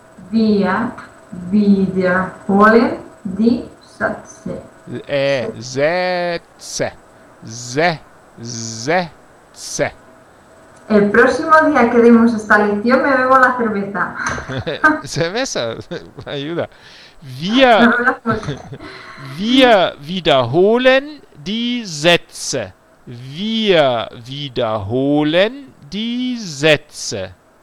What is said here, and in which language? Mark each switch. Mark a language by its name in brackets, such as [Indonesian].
[German] Wir wiederholen die Sätze. Sätze. [Spanish] El próximo día que demos esta lección me bebo la cerveza. Cerveza, ayuda. [German] Wir wiederholen die Sätze. Wir wiederholen die Sätze.